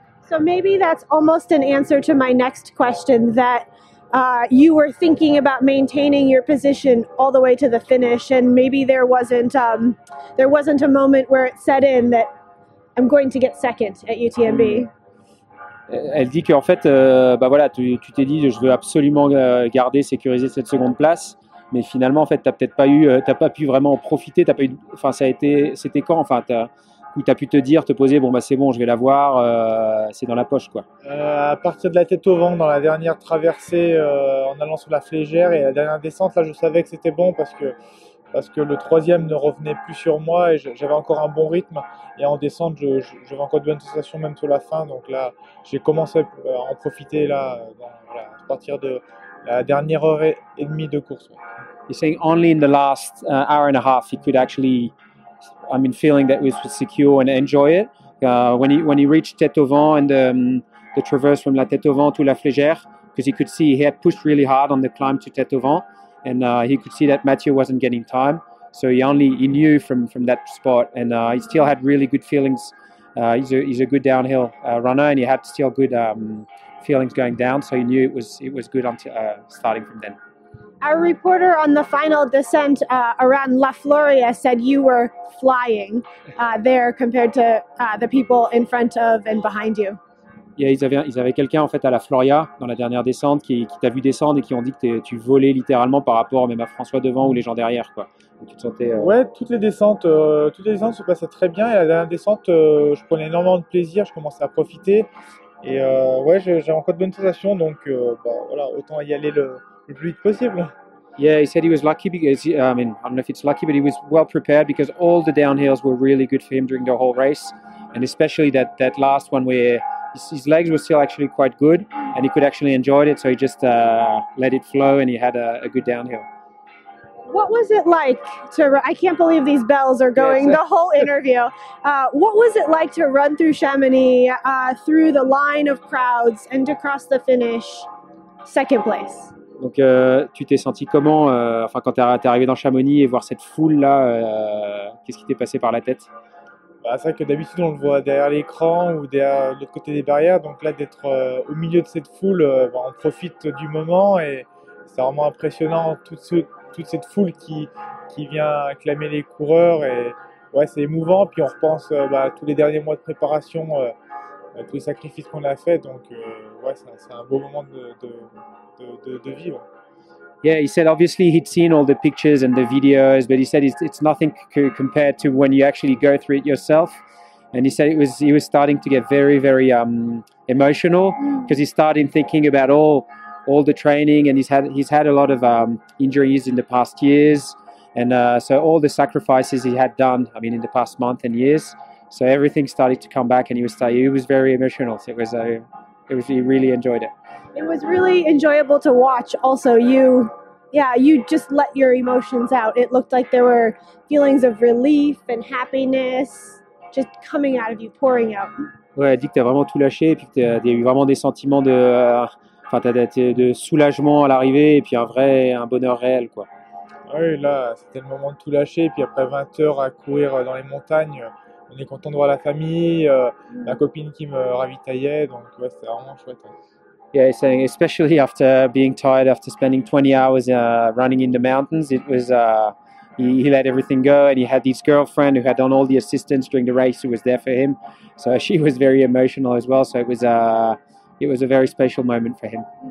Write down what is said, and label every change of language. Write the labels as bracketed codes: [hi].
[en] So maybe that's almost an answer to my next question, that you were thinking about maintaining your position all the way to the finish, and maybe there wasn't a moment where it set in that I'm going to get second at UTMB. [fr] Elle dit qu'en fait, tu t'es dit je veux absolument garder, sécuriser cette seconde place, mais finalement en fait t'as peut-être pas eu, t'as pas pu vraiment en profiter, t'as pas eu, enfin ça a été, c'était quand enfin t'as. Où tu as pu te poser, bon, bah, c'est bon, je vais l'avoir, c'est dans la poche, quoi. À partir de la tête au vent, dans la dernière traversée, en allant sous la flégère et la dernière descente, là, je savais que c'était bon parce que le troisième ne revenait plus sur moi et j'avais encore un bon rythme. Et en descente, j'avais encore de bonnes sensations, même sur la fin. Donc là, j'ai commencé à en profiter, là, à partir de la dernière heure et demie de course. [en] You're saying only in the last hour and a half, you could actually. I mean, feeling that it was secure and enjoy it. When he reached Tête au Vent and the traverse from La Tête au Vent to La Flégère, because he could see he had pushed really hard on the climb to Tête au Vent, and he could see that Mathieu wasn't getting time. So he knew from that spot, and he still had really good feelings. He's a good downhill runner, and he had still good feelings going down. So he knew it was good until starting from then. Our reporter on the final descent around La Floria said you were flying there compared to the people in front of and behind you. [fr] Yeah, ils avaient quelqu'un en fait à La Floria dans la dernière descente qui t'a vu descendre et qui ont dit que tu volais littéralement par rapport même à François devant ou les gens derrière quoi. Donc, tu te sentais. Ouais, toutes les descentes se passaient très bien et la dernière descente, je prenais énormément de plaisir, je commençais à profiter et ouais, j'ai encore de bonnes sensations donc voilà, autant y aller le plus vite possible. [en] Yeah, he said he was lucky because I don't know if it's lucky, but he was well prepared because all the downhills were really good for him during the whole race and especially that last one where his legs were still actually quite good and he could actually enjoy it, so he just let it flow and he had a good downhill. What was it like to I can't believe these bells are going the whole interview. What was it like to run through Chamonix through the line of crowds and to cross the finish second place? [fr] Donc tu t'es senti comment enfin quand t'es arrivé dans Chamonix et voir cette foule là qu'est-ce qui t'est passé par la tête? Bah, c'est vrai que d'habitude on le voit derrière l'écran ou derrière l'autre côté des barrières, donc là d'être au milieu de cette foule, on profite du moment et c'est vraiment impressionnant toute cette foule qui vient acclamer les coureurs et ouais, c'est émouvant. Puis on repense à tous les derniers mois de préparation, à tous les sacrifices qu'on a fait, donc ouais, c'est un beau moment de vivre. [en] Yeah, he said obviously he'd seen all the pictures and the videos, but he said it's nothing compared to when you actually go through it yourself. And he said he was starting to get very, very emotional because he started thinking about all the training, and he's had a lot of injuries in the past years. And so all the sacrifices he had done, I mean, in the past month and years. So everything started to come back and he was very emotional. So it was he really enjoyed it. It was really enjoyable to watch also you just let your emotions out. It looked like there were feelings of relief and happiness just coming out of you, pouring out. [fr] Ouais, elle dit que t'as vraiment tout lâché et puis que t'as eu vraiment des sentiments de soulagement à l'arrivée et puis un bonheur réel quoi. Oui, là, c'était le moment de tout lâcher et puis après 20 heures à courir dans les montagnes, on est content de voir la famille, la copine qui me ravitaillait, donc ouais, c'était vraiment chouette. Hein. [en] Yeah, he's saying especially after being tired after spending 20 hours running in the mountains, it was he let everything go and he had this girlfriend who had done all the assistance during the race who was there for him, so she was very emotional as well. So it was a very special moment for him.